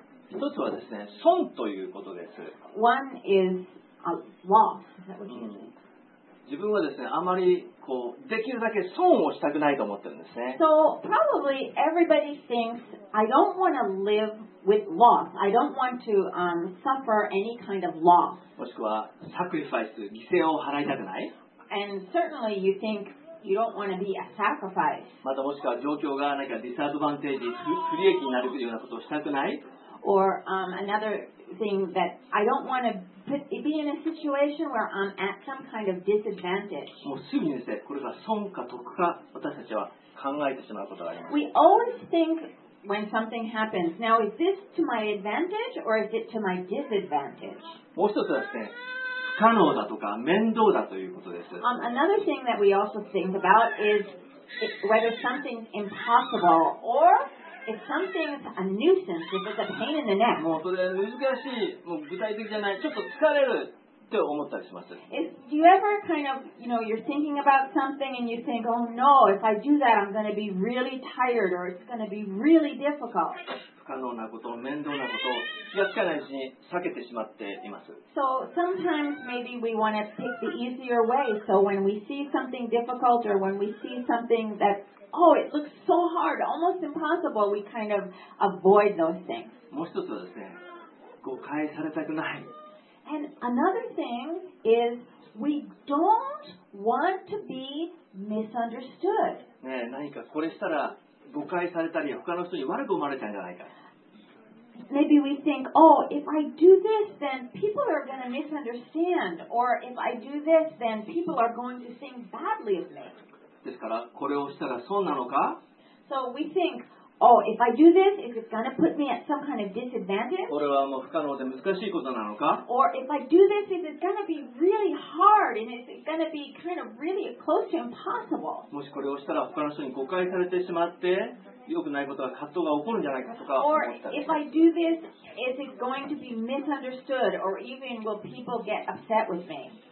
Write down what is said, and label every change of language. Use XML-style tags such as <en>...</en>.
<ja>一つはですね、損ということです。</ja> <en>One is a loss. Is that what you mean?</en> <ja>自分はですね、あまりこうできるだけ損をしたくないと思ってるんですね。</ja> <en>So probably everybody thinks I don't want to live with loss. I don't want to suffer any kind of loss.</en> <ja>もしくはサクリファイス、犠牲を払いたくない。</ja> <en>And certainly you think you don't want to be a sacrifice.</en> <ja>またもしくは状況がなんかディスアドバンテージ、不利益になるようなことをしたくない。</ja> <en>Or another thing that I don't want to. Be in a situation where I'm at some kind of disadvantage.</en> <ja>もうすぐにですね、これが損か得か私たちは考えてしまうことがあります。</ja> <en>We always think when something happens. Now, is this to my advantage or is it to my disadvantage?</en> <ja>もう一つはですね、不可能だとか面倒だということです。</ja> <en>Another thing that we also think about is whether something's impossible or If something's a nuisance, if it's a pain in the neck,</en> <ja>もうそれ難しい、もう具体的じゃない、ちょっと疲れるって思ったりします。</ja> <en>Do you ever kind of, you're thinking about something and you think, oh no, if I do that, I'm going to be really tired or it's going to be really difficult.</en> <ja>不可能なこと、面倒なこと、気がつかないうちに避けてしまっています。</ja> <en>So sometimes maybe we want to take the easier way. So when we see something difficult or when we see something that's Oh, it looks so hard, almost impossible. We kind of avoid those things.</en> <ja>もう一つはですね、誤解されたくない。</ja> <en>And another thing is we don't want to be misunderstood.</en> <ja>ねえ、何かこれしたら誤解されたり、他の人に悪く思われちゃうんじゃないか。</ja> <en>maybe we think, oh, if I do this, then people are going to misunderstand. Or if I do this, then people are going to think badly of me.</en> <ja>ですから、これをしたらそうなのか?</ja> <en>So we think, oh, if I do this, is it going to put me at some kind of disadvantage?</en> <ja>これはもう不可能で難しいことなのか?</ja> <en>Or if I do this, is it going to be really hard? And is it going to be kind of really close to impossible?</en> <ja>もしこれをしたら他の人に誤解されてしまって、良くないことは葛藤が起こるんじゃないかとか思ったり。</ja> <en>Or if I do this, is it going to be misunderstood? Or even will people get upset with me?</en>